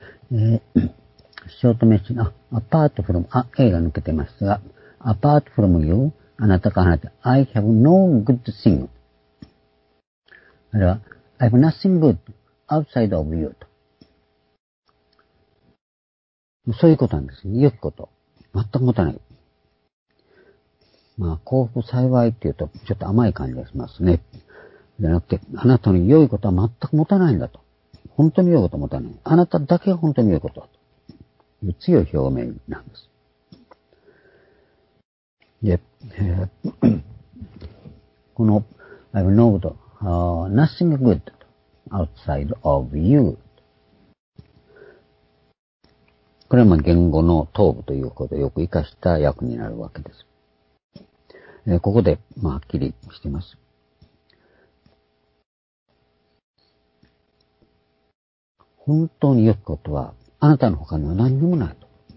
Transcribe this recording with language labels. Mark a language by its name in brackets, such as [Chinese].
[Japanese] ショートメッセージ、 [English] apart from, [Japanese] A が抜けてますが、 [English] apart from you, [Japanese] あなたか離れて、 [English] I have no good thing. あれは、I have nothing good outside of you. [Japanese] とそういうことなんですね。良きこと。全く持たない。まあ、幸福幸いっていうと、ちょっと甘い感じがしますね。じゃなくて、あなたの良いことは全く持たないんだと。本当に良いことを持たない。あなただけが本当に良いことだと。という強い表明なんです。 [English] で、この、I have no good, nothing good outside of you. [Japanese] これは言語の頭部ということをよく活かした訳になるわけです。ここで、まあ、はっきりしています。本当に良きことは、あなたの他には何にもないと。